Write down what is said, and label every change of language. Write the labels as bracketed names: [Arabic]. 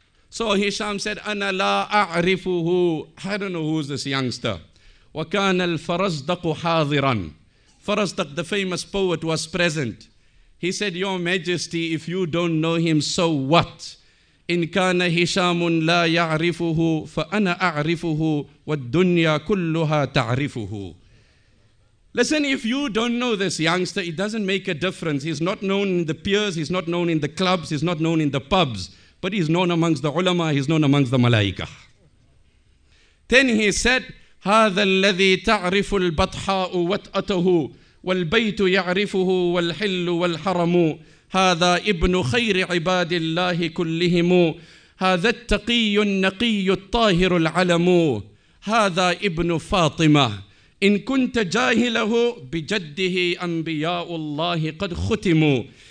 [English] So Hisham said, [Arabic] أنا لا أعرفه. [English] I don't know who's this youngster. [Arabic] وكان الفرزدق حاضرا. [English] Farazdaq, the famous poet, was present. He said, Your Majesty, if you don't know him, so what? [Arabic] إن كان هشام لا يعرفه فأنا أعرفه والدنيا كلها تعرفه. [English] Listen, if you don't know this youngster, it doesn't make a difference. He's not known in the peers, he's not known in the clubs, he's not known in the pubs. But he's known amongst the ulama, he's known amongst the malaika. Then he said, [Arabic] هذا الذي تعرف البطحاء وطأته والبيت يعرفه والحل والحرم هذا ابن خير عباد الله كلهم هذا التقي النقي الطاهر العلم هذا ابن فاطمة إن كنت جاهله بجده أنبياء الله قد ختموا